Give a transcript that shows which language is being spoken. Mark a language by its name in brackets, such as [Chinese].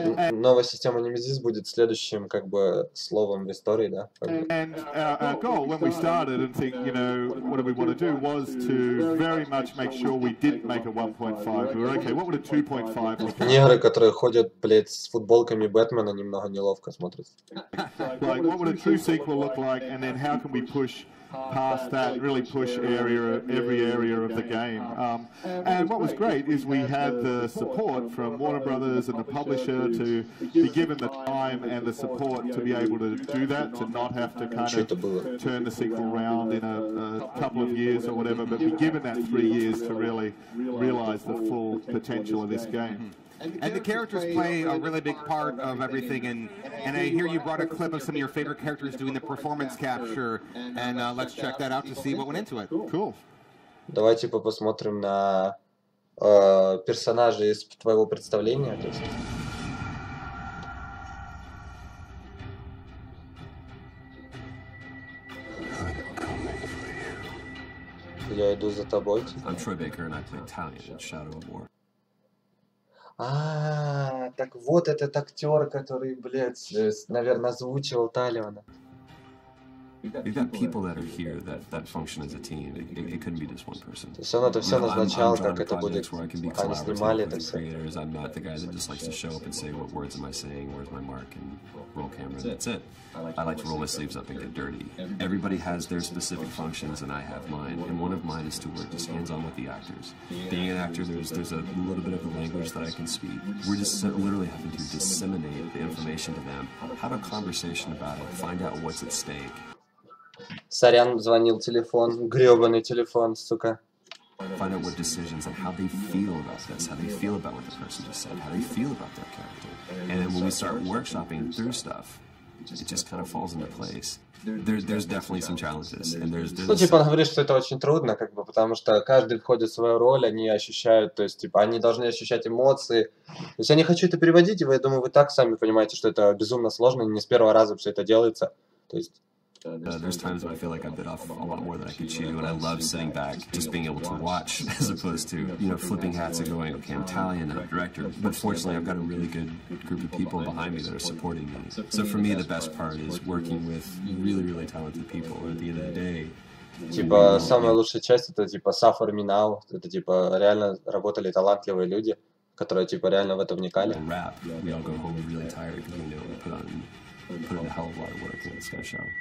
[Russian] Новая система Nemesis будет следующим, как бы, словом в истории, да? [English] And our goal when we started and think, you know, what do we want to do was to very much make sure we didn't make a 1.5. We were okay, what would a 2.5 look like? [Russian] Негры, которые ходят, блядь, с футболками Бэтмена, немного неловко смотрятся. [English] Like, what would a true sequel look like, and then how can we push past that, really push area, every area of the game. And what was great is we had the support from Warner Brothers and the publisher to be given the time and the support to be able to do that, to not have to kind of turn the sequel around in a couple of years or whatever, but be given that 3 years to really realize the full potential of this game. And the characters play a really big part of everything, and I hear you brought a clip of some of your favorite characters doing the performance capture, and let's check that out to see what went into it. Cool. [Russian] Давайте посмотрим на персонажей из твоего представления. Я иду за тобой. [English] I'm Troy Baker, and I play Talion in Shadow of War. [Russian] А-а-а, так вот этот актер, который, блядь, наверное, озвучивал Талиона. [English] You've got people that are here that function as a team. It couldn't be just one person. [Russian] То есть он это все назначал, как это будет. Они снимали это все. [English] I'm not the guy that just likes to show up and say what words am I saying, where's my mark, and roll camera. That's it. I like to roll my sleeves up and get dirty. Everybody has their specific functions, and I have mine. And one of mine is to work just hands on with the actors. Being an actor, there's a little bit of a language that I can speak. We're just literally having to disseminate the information to them, have a conversation about it, find out what's at stake. [Russian] Сорян, звонил телефон, грёбаный телефон, сука. [English] Find out what decisions and how they feel about this, how they feel about what the person just said, how they feel about their character. And then when we start workshopping through stuff, it just kind of falls into place. There's definitely some challenges, and there's [Russian] ну, типа, он говорит, что это очень трудно, как бы, потому что каждый входит в свою роль, они ощущают, то есть, типа, они должны ощущать эмоции. То есть я не хочу это переводить, я думаю, вы так сами понимаете, что это безумно сложно, не с первого раза все это делается. То есть... [English] There's times when I feel like I bit off a lot more than I could chew, and I love sitting back, just being able to watch, as opposed to, you know, flipping hats and going, okay, I'm Talion, and I'm director. But fortunately, I've got a really good group of people behind me that are supporting me. So for me, the best part is working with really, really talented people. And at the end of the day, [Russian] типа самая лучшая часть это типа [English] Suffer Me Now. [Russian] Это типа реально работали талантливые люди, которые типа реально в это вникали. [English] Rap. We all go home really tired, you know, and put in a hell of a lot of work, and it's gonna show.